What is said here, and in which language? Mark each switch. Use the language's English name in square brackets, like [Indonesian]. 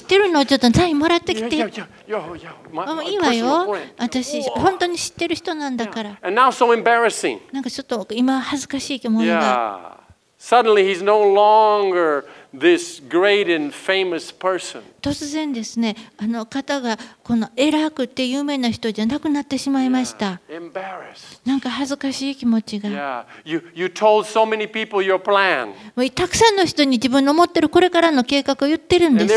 [Japanese] ってるの、ちょっとサインもらってきて。いいわよ、私本当に知ってる人なんだから。なんかちょっと今恥ずかしい気持ちが。 [English] Suddenly, he's no longer this great and famous person. [Japanese] 突然ですね、あの方がこの偉くて有名な人じゃなくなってしまいました。なんか恥ずかしい気持ちが。 [English] You told so many people your plan. [Japanese] たくさんの人に自分の持ってるこれからの計画を言ってるんですね。